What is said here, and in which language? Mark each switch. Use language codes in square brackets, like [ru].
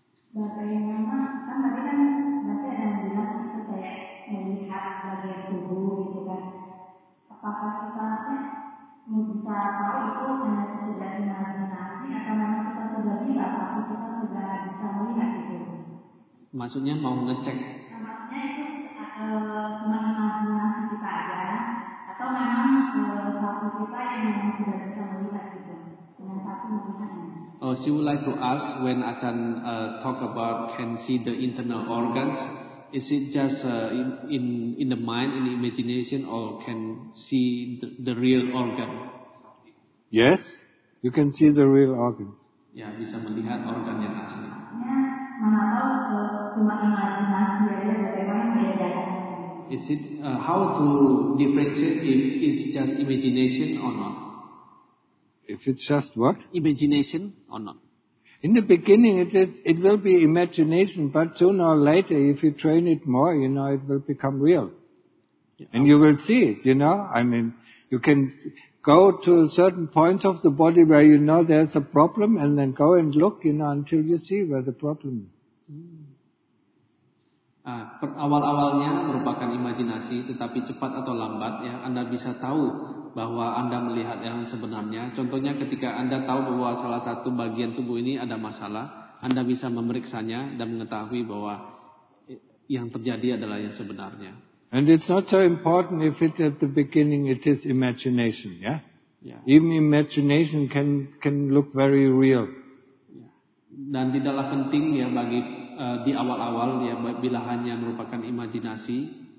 [id] Bagaimana kan tadi kan bapak ada bilang itu kayak melihat bagian tubuh gitu kan, apakah kita bisa tahu itu hanya sekedar imajinasi atau memang kita sudah bisa tahu, kita sudah bisa melihat itu? Maksudnya mau ngecek, maksudnya itu cuma imajinasi kita aja atau memang waktu kita yang sudah bisa melihat itu dengan satu melihat? [en] She would like to ask, when Ajahn talk about can see the internal organs, is it just in the mind, in the imagination, or can see the real organ? Yes, you can see the real organs. [id] Ya, yeah, bisa melihat organ yang asli. Ya, mengapa cuma imajinasi aja, bagaimana membedakan? [en] Is it how to differentiate if it's just imagination or not? If it's just what? Imagination or not? In the beginning, it will be imagination, but sooner or later, if you train it more, you know, it will become real. Yeah. And you will see it, you know? I mean, you can go to certain points of the body where you know there's a problem, and then go and look, you know, until you see where the problem is. [id] Awal-awalnya merupakan imajinasi, tetapi cepat atau lambat, ya, Anda bisa tahu bahwa Anda melihat yang sebenarnya. Contohnya ketika Anda tahu bahwa salah satu bagian tubuh ini ada masalah, Anda bisa memeriksanya dan mengetahui bahwa yang terjadi adalah yang sebenarnya. [en] And it's not so important if it at the beginning it is imagination, yeah? Yeah. Even imagination can look very real. [id] Dan tidaklah penting ya bagi di awal-awal ya bila hanya merupakan imajinasi.